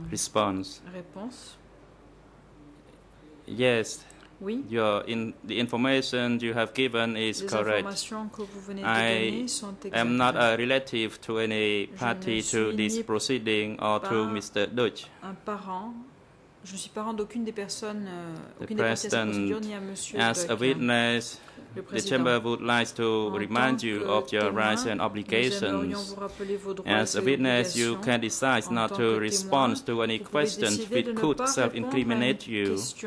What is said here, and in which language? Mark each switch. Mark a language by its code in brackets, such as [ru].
[en] Response. Yes. [fr] Oui. [en] The information you have given is correct. I am not a relative to any party to this proceeding or to Mr. Deutsch. [fr] Un parent. Je ne suis parent d'aucune des personnes, aucune des parties à cette procédure, ni à Monsieur Deutsch. [en] As a witness, the chamber would like to remind you of your rights and obligations. As a witness, you can decide not to respond to any questions which could self-incriminate you.